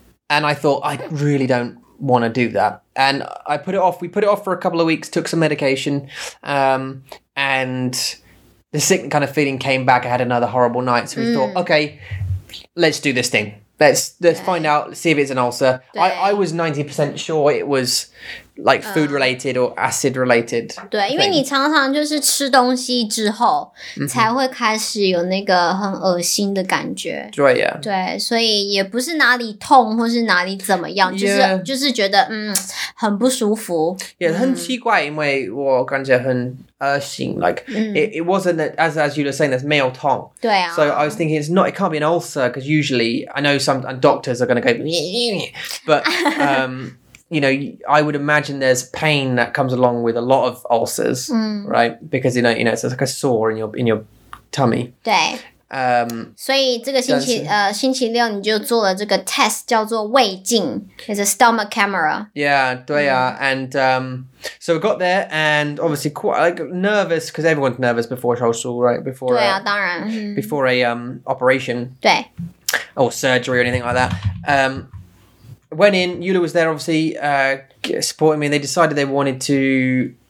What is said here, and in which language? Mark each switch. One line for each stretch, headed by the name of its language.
English: And I thought, I really don't want to do that. And I put it off, we put it off for a couple of weeks, took some medication and... The sick kind of feeling came back. I had another horrible night. So we thought, okay, let's do this thing. Let's find out, see if it's an ulcer. I was 90% sure it was like food related or acid related.
Chinese: 对，因为你常常就是吃东西之后才会开始有那个很恶心的感觉。对呀。对，所以也不是哪里痛或是哪里怎么样，就是觉得很不舒服。也很奇怪，因为我感觉很恶心。
English: Like it wasn't as you were saying, there's
Chinese: 没有痛。对啊。
English: So I was thinking it can't be an ulcer because usually I know some doctors are going to go, but. You know, I would imagine there's pain that comes along with a lot of ulcers, right? Because, you know, it's like a sore in your tummy.
Chinese: 对。所以这个星期六你就做了这个 test, 叫做胃镜。
English: It's a stomach camera. Yeah,
Chinese: 对啊。
English: And so we got there and obviously quite like nervous, because everyone's nervous before a show, right? Before
Chinese: 对啊，当然。
English: Before a operation.
Chinese: 对。
English: Or surgery or anything like that. went in. Yula was there, obviously, supporting me. They decided they wanted to...